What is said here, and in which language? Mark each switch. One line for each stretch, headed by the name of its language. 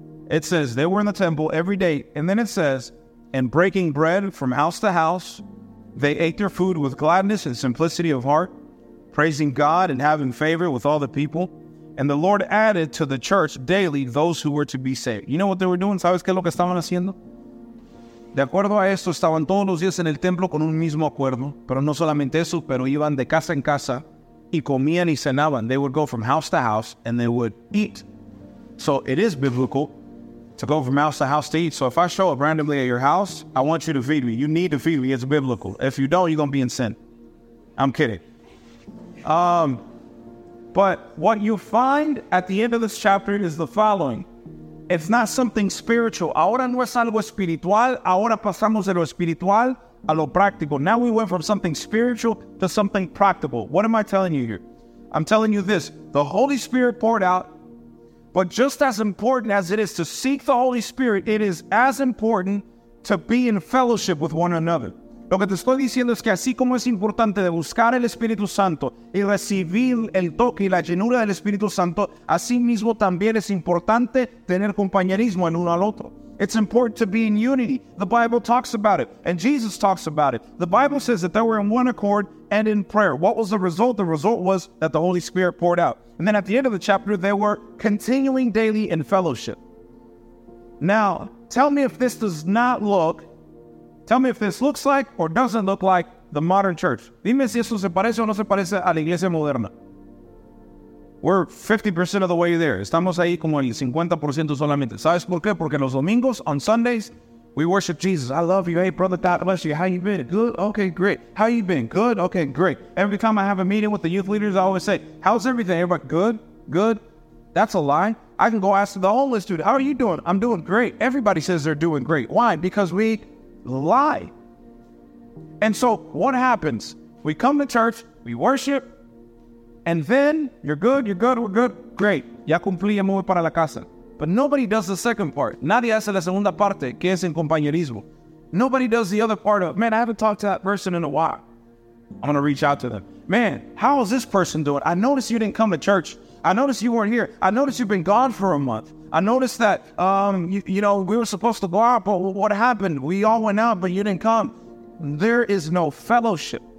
English: It says they were in the temple every day. And then it says, and breaking bread from house to house, they ate their food with gladness and simplicity of heart, praising God and having favor with all the people. And the Lord added to the church daily those who were to be saved. You know what they were doing?
Spanish: ¿Sabes qué es lo que estaban haciendo? De acuerdo a esto, estaban todos los días en el templo con un mismo acuerdo. Pero no solamente eso, pero iban de casa en casa y comían y cenaban.
English: They would go from house to house and they would eat. So it is biblical to go from house to house to eat. So if I show up randomly at your house, I want you to feed me. You need to feed me. It's biblical. If you don't, you're going to be in sin. I'm kidding. But what you find at the end of this chapter is the following. It's not something spiritual.
Spanish: Ahora no es algo espiritual. Ahora pasamos de lo espiritual a lo practical.
English: Now we went from something spiritual to something practical. What am I telling you here? I'm telling you this. The Holy Spirit poured out. But just as important as it is to seek the Holy Spirit, it is as important to be in fellowship with one another.
Spanish: Lo que te estoy diciendo es que así como es importante de buscar el Espíritu Santo y recibir el toque y la llenura del Espíritu Santo, así mismo también es importante tener compañerismo en uno al otro.
English: It's important to be in unity. The Bible talks about it, and Jesus talks about it. The Bible says that they were in one accord and in prayer. What was the result? The result was that the Holy Spirit poured out. And then at the end of the chapter, they were continuing daily in fellowship. Now, tell me if this does not look, tell me if this looks like or doesn't look like the modern church.
Spanish: Dime si esto se parece o no se parece a la iglesia moderna.
English: We're 50% of the way there.
Spanish: Estamos ahí como el 50% solamente. ¿Sabes por qué? Porque los domingos,
English: on Sundays, we worship Jesus. I love you. Hey, brother, God bless you. How you been? Good? Okay, great. How you been? Good? Okay, great. Every time I have a meeting with the youth leaders, I always say, how's everything? Everybody, good? Good? That's a lie. I can go ask the homeless dude, how are you doing? I'm doing great. Everybody says they're doing great. Why? Because we lie. And so what happens? We come to church, we worship, and then you're good, you're good, we're good, great.
Spanish: Ya cumplí, ya me voy para la casa.
English: But nobody does the second part.
Spanish: Nadie hace la segunda parte, que es en compañerismo.
English: Nobody does the other part of, man, I haven't talked to that person in a while. I'm going to reach out to them. Man, how is this person doing? I noticed you didn't come to church. I noticed you weren't here. I noticed you've been gone for a month. I noticed that, you know, we were supposed to go out, but what happened? We all went out, but you didn't come. There is no fellowship.